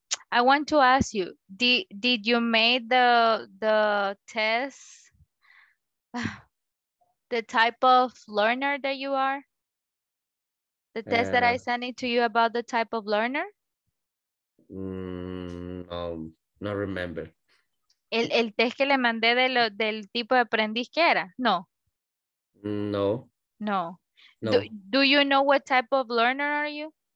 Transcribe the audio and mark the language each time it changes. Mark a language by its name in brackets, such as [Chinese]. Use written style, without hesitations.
[English] I want to ask you, did you make the test, the type of learner that you are? The test that I sent it to you about the type of learner? Not remember. [Spanish] El test que le mandé de lo del tipo de aprendiz que era? No. No. No. [English] Do you know what type of learner are you?